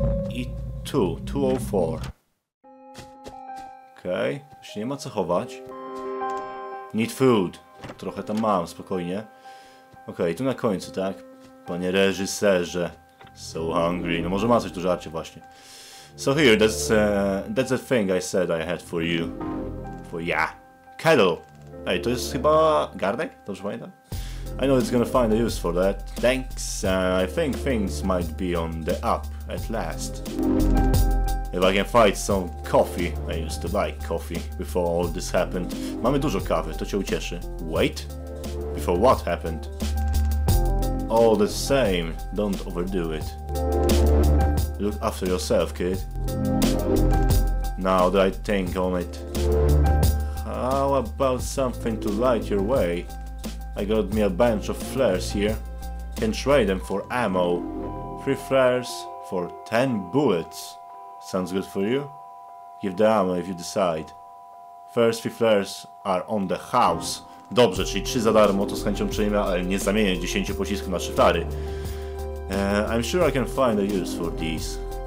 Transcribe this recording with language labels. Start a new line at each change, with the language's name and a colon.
Polish: I tu, 204. Okej, już nie ma co chować.
English: Need food.
Polish: Trochę tam mam, spokojnie. Okej, tu na końcu, tak? Panie reżyserze.
English: So hungry.
Polish: No może ma coś tu żarcie właśnie.
English: So here, that's the thing I said I had for you. For ya. Kettle.
Polish: Ej, to jest chyba garnek? Dobrze pamiętam?
English: I know it's gonna find a use for that. Thanks. I think things might be on the up at last. If I can find some coffee, I used to like coffee before all this happened.
Polish: Mamy dużo kawy, to cię ucieszy.
English: Wait? Before what happened? All the same, don't overdo it. Look after yourself, kid. Now that I think on it. How about something to light your way? I got me a bunch of flares here. Can trade them for ammo. 3 flares for 10 bullets. Sounds good for you? Give the ammo if you decide. First 3 flares are on the house.
Polish: Dobrze, czyli 3 za darmo, to z chęcią przyjmę, ale nie zamienię 10 pocisków na 3 flary.
English: I'm sure I can find a use for these.